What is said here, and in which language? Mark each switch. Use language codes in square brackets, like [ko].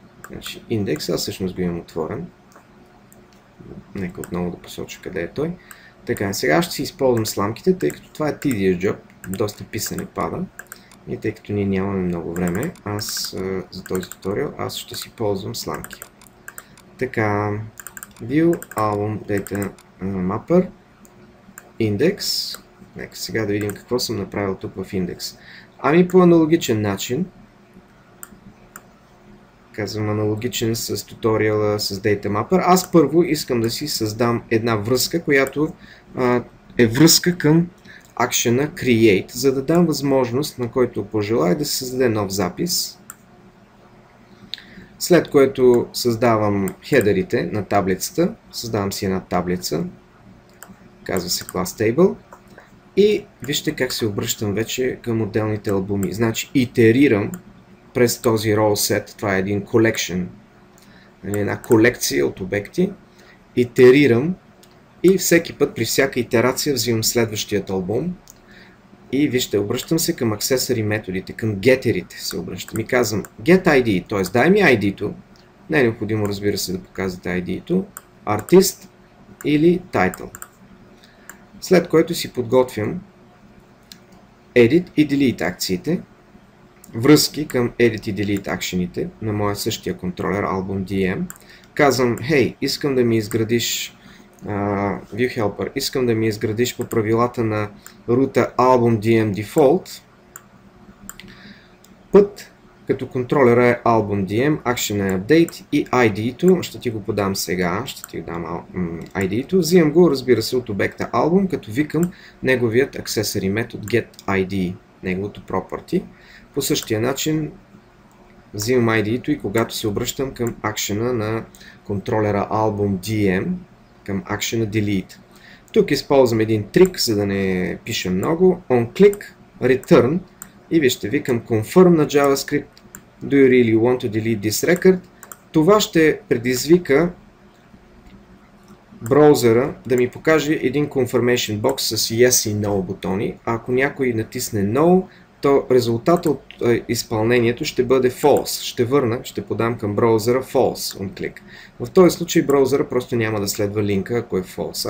[bg] Значи индекс, аз всъщност го имам отворен. Нека отново да посоча къде е той. Така, сега ще си използвам сламките, тъй като това е [en] tedious job, [bg] доста писане пада. И тъй като ние нямаме много време, аз за този туториал, аз ще си ползвам сламки. Така, View Album Data Mapper Index. Нека сега да видим какво съм направил тук в Index. Ами по аналогичен начин, казвам аналогичен с туториала с Data Mapper, аз първо искам да си създам една връзка, която е връзка към акшена Create, за да дам възможност на който пожелая да се създаде нов запис. След което създавам хедерите на таблицата, създавам си една таблица, казва се Class Table и вижте как се обръщам вече към отделните албуми. Значи итерирам през този RawSet, това е един collection, една колекция от обекти, итерирам и всеки път при всяка итерация взимам следващият албум. И вижте, обръщам се към аксесори методите, към гетерите се обръщам и казвам get ID, т.е. дай ми ID-то. Не е необходимо, разбира се, да показвате ID-то. Artist или Title. След което си подготвям Edit и Delete акциите, връзки към Edit и Delete акшените на моя същия контролер, Album DM. Казвам, хей, искам да ми изградиш View Helper, искам да ми изградиш по правилата на рута Album DM Default път, като контролера е Album DM, Action е Update и ID-то, ще ти го подам сега, ще ти дам ID-то, взимам го, разбира се, от обекта Album, като викам неговият Accessory метод GetID, неговото Property. По същия начин взимам ID-то и когато се обръщам към акшена на контролера Album DM, към Action Delete. Тук използвам един трик, за да не пише много. On click, return и вижте, викам confirm на JavaScript. [en] Do you really want to delete this record? [bg] Това ще предизвика браузъра да ми покаже един confirmation box с yes и no бутони. Ако някой натисне no, то резултатът от изпълнението ще бъде false. Ще върна, ще подам към браузъра false on click. В този случай браузъра просто няма да следва линка, ако е false.